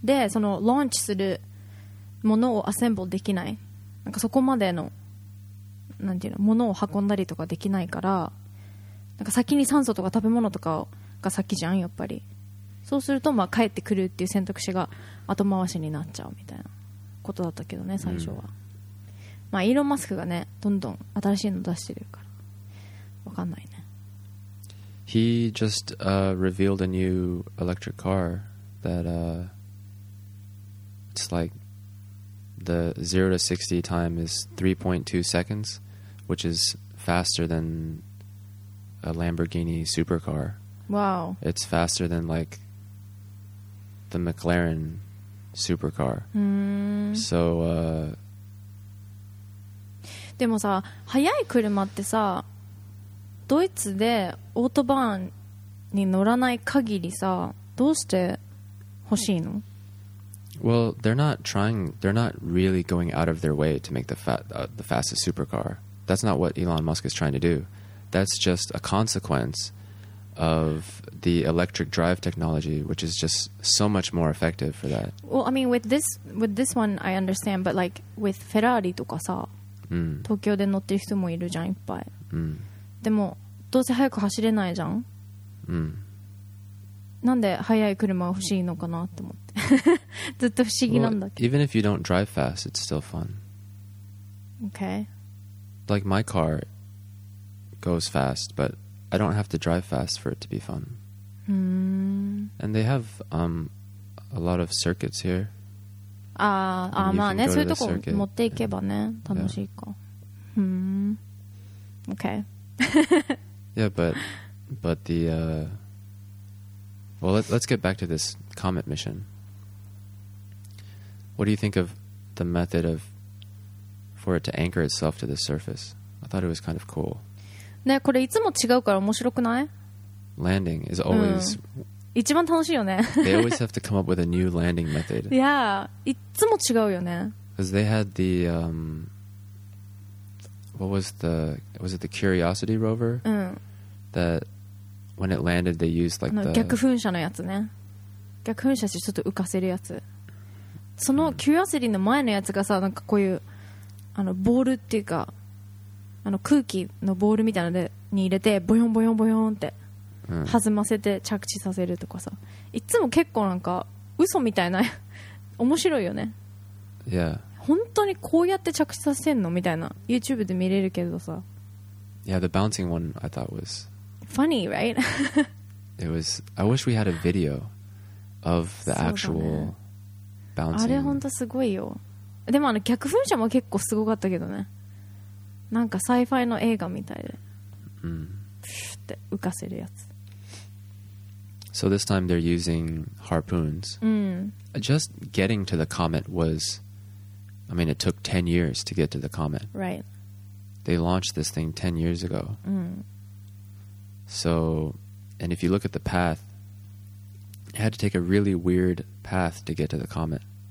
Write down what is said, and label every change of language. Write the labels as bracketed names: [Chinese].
[Japanese] で、そのローンチするものをアセンブルできない、なんかそこまでのなんていうの、ものを運んだりとかできないから、なんか先に酸素とか食べ物とかが先じゃん、やっぱり。そうするとまあ帰ってくるっていう選択肢が後回しになっちゃうみたいなことだったけどね、最初は。まあイーロン・マスクがね、どんどん新しいの出してるから、わかんないね。 [English] He just revealed a new electric car that it's like the 0 to 60 time is 3.2 seconds, which is faster than a Lamborghini supercar. Wow. It's faster than like the McLaren supercar. So, [Japanese] でもさ、速い車ってさ、ドイツでオートバーンに乗らない限りさ、どうして欲しいの？ [English] Well, they're not really going out of their way to make the fastest supercar. That's not what Elon Musk is trying to do. That's just a consequence of the electric drive technology, which is just so much more effective for that. Well, I mean, with this one, I understand, but like with Ferrari [Japanese] とかさ、東京で乗ってる人もいるじゃん、いっぱい。でもどうせ早く走れないじゃん。なんで速い車が欲しいのかなって思ってずっと不思議なんだけど。 [English] Well, even if you don't drive fast, it's still fun. Okay. Like my car goes fast, but I don't have to drive fast for it to be fun. And they have a lot of circuits here. [Japanese] ああまあね、そういうとこ持っていけばね、楽しいか。 [English] Okay. Yeah, but the well, let's get back to this comet mission. What do you think of the method of for it to anchor itself to the surface? I thought it was kind of cool. [Japanese] ね、これいつも違うから面白くない？ [English] Landing is always [Japanese] 一番楽しいよね。 [English] They always have to come up with a new landing method. [Japanese] Yeah, いつも違うよね。 [English] Because they had the what was the was it the Curiosity rover? That when it landed, they used like the [Japanese] 逆噴射のやつね。逆噴射してちょっと浮かせるやつ。その Curiosity の前のやつがさ、なんかこういうあのボールっていうか、あの空気のボールみたいなのに入れてボヨンボヨンボヨンって。弾ませて着地させるとかさ、いつも結構なんか嘘みたいな面白いよね。 [English] Yeah. [Japanese] 本当にこうやって着地させてんのみたいな、 YouTube で見れるけどさ。 [English] Yeah, the bouncing one I thought was funny, right? It was. I wish we had a video of the actual bouncing. [Japanese] あれ本当すごいよ。でもあの逆噴射も結構すごかったけどね。なんかサイファイの映画みたいで。って浮かせるやつ。 [English] So this time they're using harpoons. Just getting to the comet was I mean, it took 10 years to get to the comet. Right. They launched this thing 10 years ago. Mm. So, and if you look at the path, it had to take a really weird path to get to the comet.